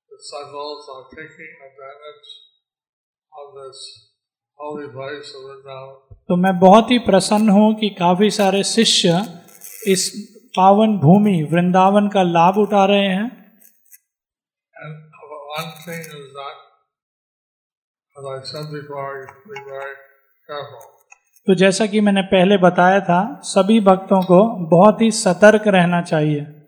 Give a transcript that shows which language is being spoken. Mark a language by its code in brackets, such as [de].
[hi] तो मैं बहुत ही प्रसन्न हूँ कि काफी सारे शिष्य इस पावन भूमि वृंदावन का लाभ उठा रहे हैं. [en] And one thing is that, as I said before, be very careful. [hi] तो जैसा कि मैंने पहले बताया था सभी भक्तों को बहुत ही सतर्क रहना चाहिए.